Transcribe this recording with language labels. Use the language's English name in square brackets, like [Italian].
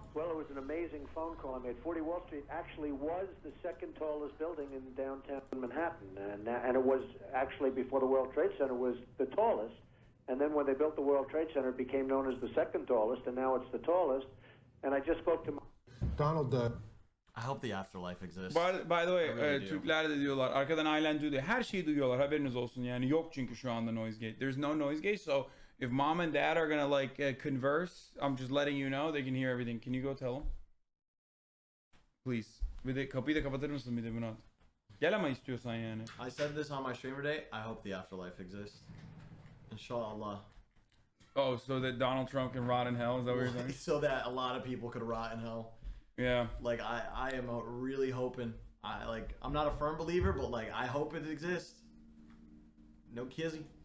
[English] Well, it was an amazing phone call I made. 40 Wall Street actually was the second tallest building in downtown Manhattan, and it was actually before the World Trade Center was the tallest. And then when they built the World Trade Center, it became known as the second tallest, and now it's the tallest. And I just spoke to Donald. I hope the afterlife exists. By the way, [Turkish] Türkler de diyorlar, arkadan ailen duyuyor, her şeyi duyuyorlar, haberiniz olsun. Yani yok çünkü şu anda noise gate. [English] There's no noise gate, so if mom and dad are gonna like converse, I'm just letting you know, they can hear everything. Can you go tell them? Please. [Turkish] Bir de kapıyı da kapatır mısın bir de Murat? Gel ama istiyorsan yani. [English] I said this on my streamer day, I hope the afterlife exists. [Arabic] Inshallah. [English] Oh, so that Donald Trump can rot in hell, is that what you're saying? So that a lot of people could rot in hell. Yeah, like I am really hoping. I'm not a firm believer, but like I hope it exists. No kizzy.